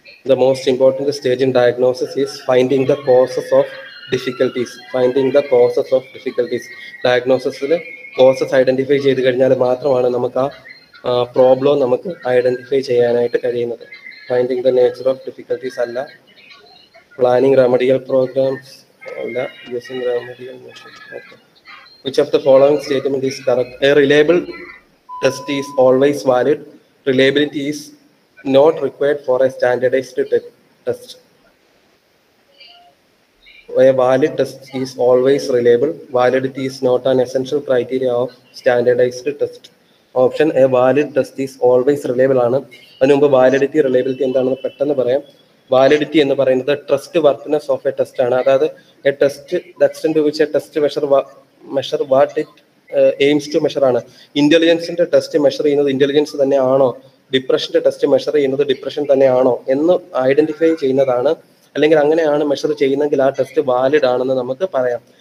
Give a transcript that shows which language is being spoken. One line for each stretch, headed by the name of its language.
English: The most important stage in diagnosis is finding the causes of difficulties. Finding the causes of difficulties,
Malayalam: ഡയഗ്നോസിസിൽ causes identify ചെയ്ത് കഴിഞ്ഞാൽ മാത്രമാണ് നമുക്ക് ആ problem നമുക്ക് identify ചെയ്യാനായിട്ട് കഴിയുന്നത്.
English: Finding the nature of difficulties അല്ല. Planning remedial programmes അല്ല. Using remedial Which of the following statement is correct? A reliable test is always valid. Reliability is not required for a standardized test. A valid test is always reliable. Validity is not an essential criteria of standardized test. Option A, valid test is always reliable.
Malayalam: അതിനു മുമ്പ് validity reliability എന്താണെന്ന് പെട്ടെന്ന് പറയാം. Validity എന്ന് പറയുന്നത്
English: trustworthiness of a test
Malayalam: ആണ്.
English: അതായത് a test the extent which a test measure measure what it aims to measure ആണ്.
Malayalam: ഇന്റലിജൻസിന്റെ ടെസ്റ്റ് മെഷർ ചെയ്യുന്നത് ഇന്റലിജൻസ് തന്നെയാണോ, ഡിപ്രഷന്റെ ടെസ്റ്റ് മെഷർ ചെയ്യുന്നത് ഡിപ്രഷൻ തന്നെയാണോ എന്ന് ഐഡന്റിഫൈ ചെയ്യുന്നതാണ്, അല്ലെങ്കിൽ അങ്ങനെയാണ് മെഷർ ചെയ്യുന്നതെങ്കിൽ ആ ടെസ്റ്റ് വാലിഡ് ആണെന്ന് നമുക്ക് പറയാം.